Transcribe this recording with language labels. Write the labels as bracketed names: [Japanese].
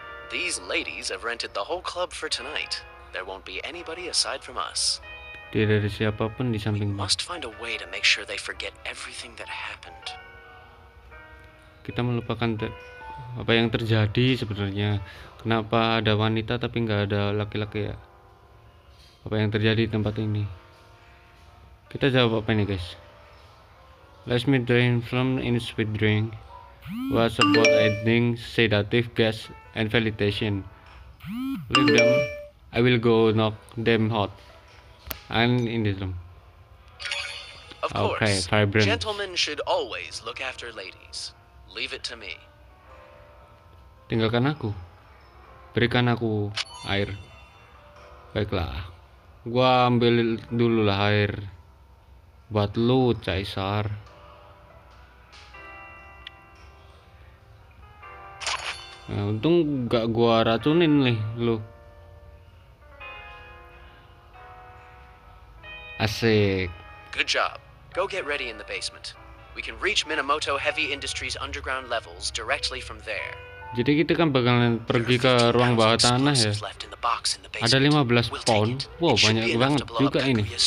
[English] These ladies have rented the whole club for tonight. There won't be anybody aside from us. [Indonesian] Tidak ada siapapun di samping. [English] We must find a way to make sure they forget everything that happened. [Indonesian] Kita melupakan apa yang terjadi sebenarnya. Kenapa ada wanita tapi enggak ada laki-laki ya? Apa yang terjadi di tempat ini? Kita jawab apa ini, guys? [English] Let me drain from in sweet drink. What about adding sedative gas and validation? Leave them. I will go knock them out. I'm in this room. Of course, okay, vibrant. Gentlemen should always look after ladies. Leave it to me. [Indonesian] Tinggalkan aku. Berikan aku air. Baiklah. Gua ambil dulu lah air. Buat lu, Caesar. Nah, untung gak gua racunin nih lu. Asik. [English] Good job. Go get ready in the basement. We can reach Minamoto Heavy Industries underground levels directly from there. [Indonesian] Jadi kita kan bakalan pergi ke ruang bawah tanah ya. Ada 15 pound. Wow, banyak banget juga ini.